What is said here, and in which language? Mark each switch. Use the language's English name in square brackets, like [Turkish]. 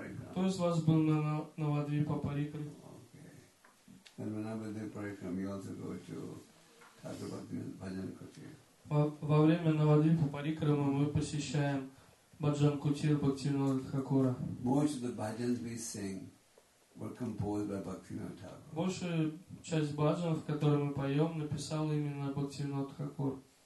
[Russian] Кто из вас был на Навадвипа Парикраме? [English] And whenever they pray from, you also go to Thakur Bhajan Kutir. [Russian] Во время Навадвипа Парикрама мы посещаем Бхаджан Кутир Бхактивинода Тхакура. [English] Most of the bhajans we sing were composed by Bhaktivinoda Thakur. [Russian] Большая часть бхаджанов, которые мы поем, написал именно Бхактивинода Тхакур.